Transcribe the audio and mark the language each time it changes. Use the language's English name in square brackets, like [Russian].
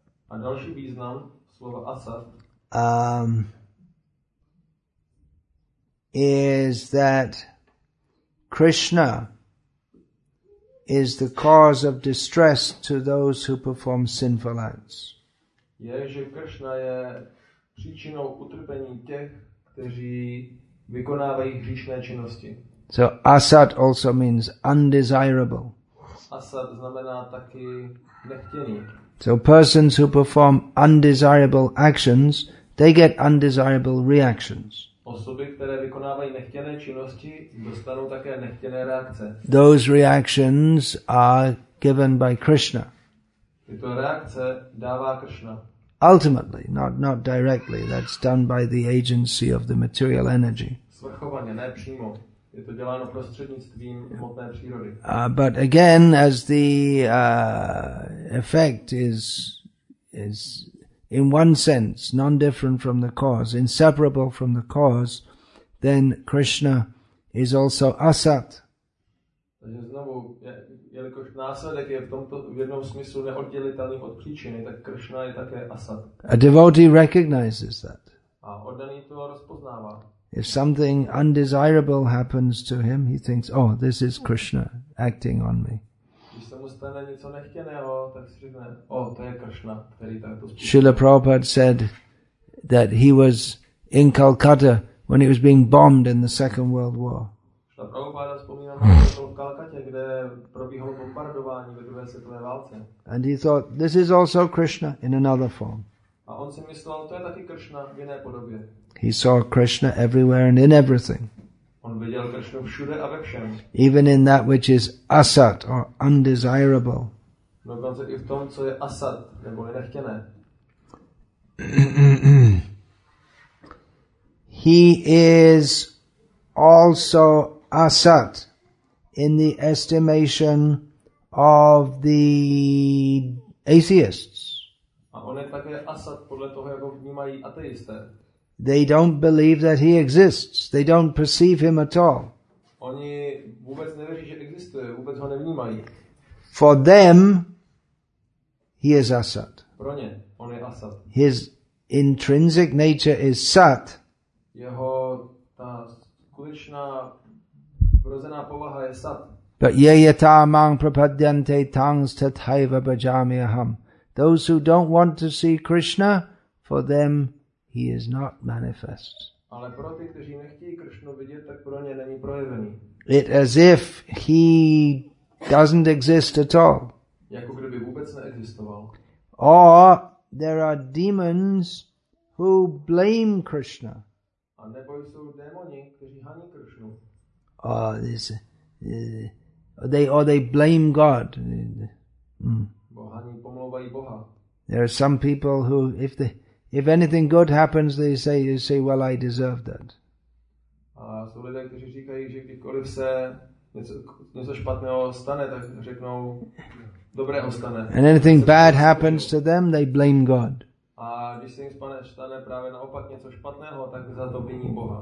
[Czech] A další význam slova asat [English] is that Krishna is the cause of distress to those who perform sinful acts. [Czech] Je, že Krishna je příčinou utrpení těch, kteří vykonávají hříšné činnosti. [English] So asat also means undesirable. [Czech] Asat znamená taky nechtěný. [English] So persons who perform undesirable actions, they get undesirable reactions. [Czech] Osoby, které vykonávají nechtěné činnosti, dostanou také nechtěné reakce. [English] Those reactions are given by Krishna. [Czech] Tyto reakce dává Krishna. [English] Ultimately, not directly, that's done by the agency of the material energy. [Czech] Svrchovaně, ne přímo. Je to děláno prostřednictvím hmotné přírody. [English] But again, as the effect is in one sense, non-different from the cause, inseparable from the cause, then Krishna is also asat. [Czech] Takže znovu, jelikož následek je v jednom smyslu neoddělitelný od příčiny, tak Krishna je také asat. [English] A devotee recognizes that. [Czech] A oddaný to rozpoznává. [English] If something undesirable happens to him, he thinks, oh, this is Krishna acting on me. [Czech] Když se mu stane něco nechtěného, tak si řekne, oh, to je Krishna, který takto způsobí. [English] Srila Prabhupada said that he was in Calcutta when he was being bombed in the Second World War. [Czech] Srila Prabhupada vzpomíná, že byl v Calcutta, kde probíhalo bombardování ve druhé světové válce. [English] And he thought, this is also Krishna in another form. [Czech] A on si myslel, to je taky Krishna v jiné podobě. [English] He saw Krishna everywhere and in everything. [Czech] On viděl Krishnu všude a ve všem. [English] Even in that which is asat or undesirable. [Czech] Dokonce i v tom, co je asat, nebo je nechtěné. [English] He is also asat in the estimation of the atheists. [Czech] A on je také asat podle toho, jak ho vnímají ateisté. [English] They don't believe that he exists. They don't perceive him at all. [Czech] Oni vůbec nevěří, že existuje, vůbec ho nevnímají. [English] For them, he is asat. [Czech] Pro ně, on je asat. [English] His intrinsic nature is sat. [Czech] Jeho ta skutečná vrozená povaha je sat. [Sanskrit] But ye yata mang prapadyante tangs tathaiva bhajami aham. [English] Those who don't want to see Krishna, for them he is not manifest. [Czech] Ale pro ty, kteří nechtějí Krishnu vidět, tak pro ně není projevený. [English] It as if he doesn't exist at all. [Czech] Jako kdyby vůbec neexistoval. [English] Or there are demons who blame Krishna. [Czech] A nebo jsou démoni, kteří haní Krishnu. [English] Or they blame God. [Czech] Bohani pomlouvají Boha. [English] There are some people who, if anything good happens, they say, well, I deserve that. [Czech] A jsou lidé, kteří říkají, že kdykoliv se něco špatného stane, tak řeknou, dobrého stane. [English] And anything bad happens to them, they blame God. [Czech] A když se jim stane právě naopak něco špatného, tak za to viní Boha.